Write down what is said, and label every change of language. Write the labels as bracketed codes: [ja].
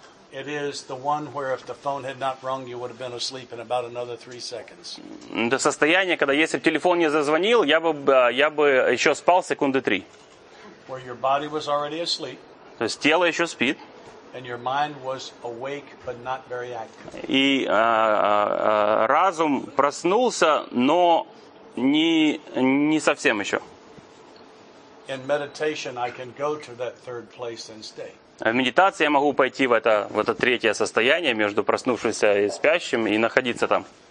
[en] It is the one where if the phone had not rung, you would have been asleep in about another 3 seconds. [ru] Это состояние, когда если бы телефон не зазвонил, я бы еще спал секунды три. [en] Where your body was already asleep. [ru] То есть тело еще спит. [en] And your mind was awake, but not very active. [ru] И разум проснулся, но не совсем еще. [en] In meditation, I can go to that third place and stay. [ru] В медитации я могу пойти в это третье состояние между проснувшимся и спящим и находиться там.